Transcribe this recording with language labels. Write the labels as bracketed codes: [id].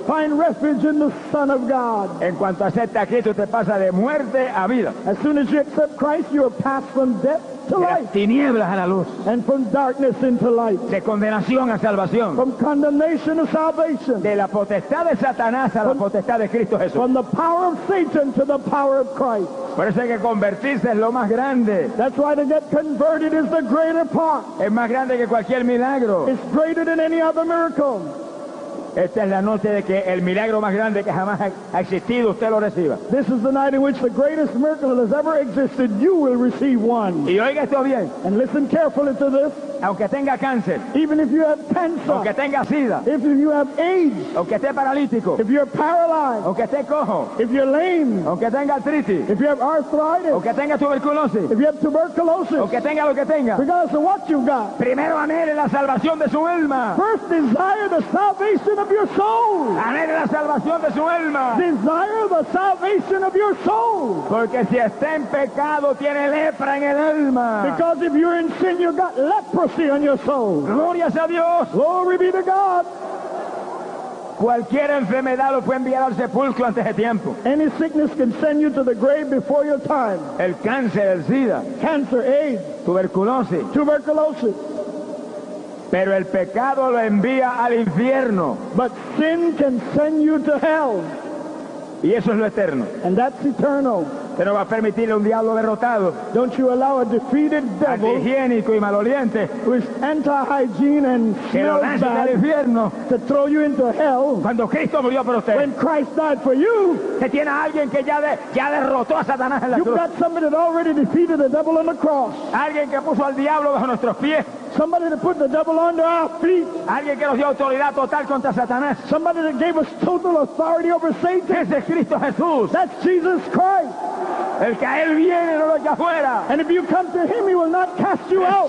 [en] Find refuge in the Son of God. [es] En cuanto acepte a Cristo, te pasa de muerte a vida. [en] As soon as you accept Christ, you are passed from death to life. [es] De tinieblas a la luz. [en] And from darkness into light. [es] De condenación a salvación. [en] From condemnation to salvation. [es] De la potestad de Satanás a la potestad de Cristo Jesús. [en] From the power of Satan to the power of Christ. [es] Por eso hay que convertirse, es lo más grande. [en] That's why to get converted is the greater part. [es] Es más grande que cualquier milagro. [en] It's greater than any other miracle. [es] Esta es la noche de que el milagro más grande que jamás ha existido, usted lo reciba. [en] This is the night in which the greatest miracle that has ever existed, you will receive one. [es] Y oiga esto bien. [en] And listen carefully to this. [es] Aunque tenga cáncer. [en] Even if you have cancer. [es] Aunque tenga sida. [en] If you have AIDS. [es] Aunque esté paralítico. [en] If you're paralyzed. [es] Aunque esté cojo. [en] If you're lame. [es] Aunque tenga artritis. [en] If you have arthritis. [es] Aunque tenga tuberculosis. [en] If you have tuberculosis. [es] Aunque tenga lo que tenga. [en] Regardless of what you've got. [es] Primero anhele la salvación de su alma. [en] First desire the salvation of your soul. [es] Anhele la salvación de su alma. [en] Desire the salvation of your soul. [es] Porque si está en pecado tiene lepra en el alma. [en] Because if you're in sin you've got lepra. On your soul. [es] Gloria a Dios. [en] Glory be to God. [es] Cualquier enfermedad lo puede enviar al sepulcro antes de tiempo. [en] Any sickness can send you to the grave before your time. [es] El cáncer, el sida. [en] Cancer, AIDS. [es] Tuberculosis. [en] Tuberculosis. [es] Pero el pecado lo envía al infierno. [en] But sin can send you to hell. [es] Y eso es lo eterno. [en] And that's eternal. [es] Usted no va a permitirle un diablo derrotado. [en] Don't you allow a defeated devil, [es] antihigiénico y maloliente, [en] who is anti-hygiene and smells bad, [es] al infierno, [en] to throw you into hell. [es] Cuando Cristo murió por usted. [en] When Christ died for you. [es] Que tiene a alguien que ya derrotó a Satanás en la [en] you've [es] cruz. [en] You've got somebody that already defeated the devil on the cross. [es] Alguien que puso al diablo bajo nuestros pies. [en] Somebody that put the devil under our feet. [es] Alguien que nos dio autoridad total contra Satanás. [en] Somebody that gave us total authority over Satan. [es] Ese es Cristo Jesús. [en] That's Jesus Christ. [es] El que a él viene no lo echa fuera. [en] And if you come to him, he will not cast you out.